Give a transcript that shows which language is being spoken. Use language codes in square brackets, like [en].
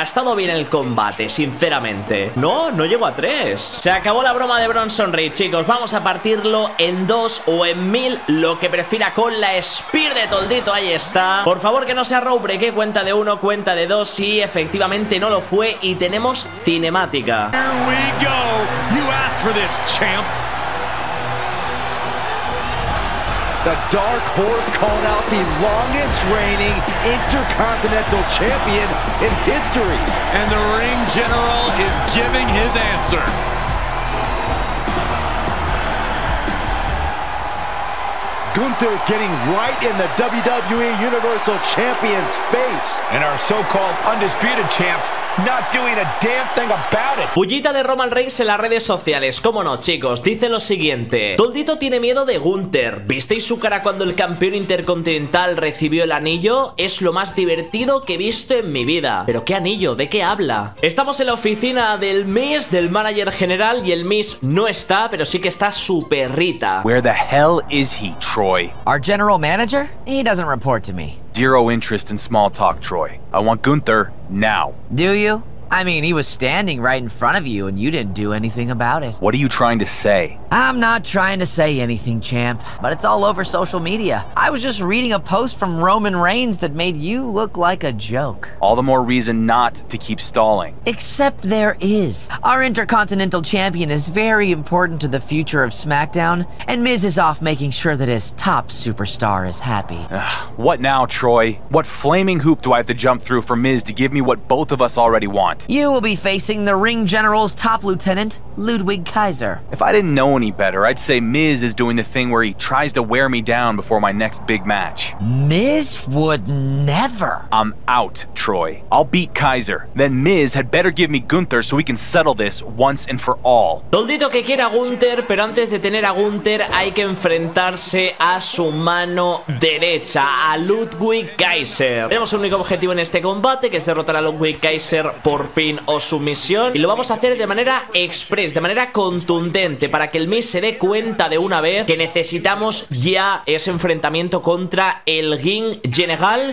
[es] Ha estado bien el combate, sinceramente. No, no llegó a 3. Se acabó la broma de Bronson Reed, chicos. Vamos a partirlo en 2 o en 1000, lo que prefiera, con la Spear de Toldito. Ahí está. Por favor, que no sea Roubre, que cuenta de 1, cuenta de 2. Sí, efectivamente no lo fue. Y tenemos cinemática. [en] Here we go. You asked for this, champ. The Dark Horse called out the longest reigning Intercontinental Champion in history. And the Ring General is giving his answer. Gunther getting right in the WWE Universal Champion's face. And our so-called undisputed champs not doing a damn thing about it. [es] Bullita de Roman Reigns en las redes sociales. ¿Cómo no, chicos? Dice lo siguiente: Toldito tiene miedo de Gunther. ¿Visteis su cara cuando el campeón intercontinental recibió el anillo? Es lo más divertido que he visto en mi vida. ¿Pero qué anillo? ¿De qué habla? Estamos en la oficina del Miz, del manager general, y el Miz no está, pero sí que está su perrita. [en] Where the hell is he, Troy? Our general manager? He doesn't report to me. Zero interest in small talk, Troy. I want Gunther now. Do you? I mean, he was standing right in front of you and you didn't do anything about it. What are you trying to say? I'm not trying to say anything, champ, but it's all over social media. I was just reading a post from Roman Reigns that made you look like a joke. All the more reason not to keep stalling. Except there is. Our Intercontinental Champion is very important to the future of SmackDown, and Miz is off making sure that his top superstar is happy. What now, Troy? What flaming hoop do I have to jump through for Miz to give me what both of us already want? You will be facing the Ring General's top lieutenant, Ludwig Kaiser. If I didn't know any better, I'd say Miz is doing the thing where he tries to wear me down before my next big match. Miz would never. I'm out, Troy. I'll beat Kaiser. Then Miz had better give me Gunther so we can settle this once and for all. [es] Toldito que quiera a Gunther, pero antes de tener a Gunther hay que enfrentarse a su mano derecha, a Ludwig Kaiser. Tenemos un único objetivo en este combate, que es derrotar a Ludwig Kaiser por pin o sumisión, y lo vamos a hacer de manera express, de manera contundente, para que el Miz se dé cuenta de una vez que necesitamos ya ese enfrentamiento contra el Ring General.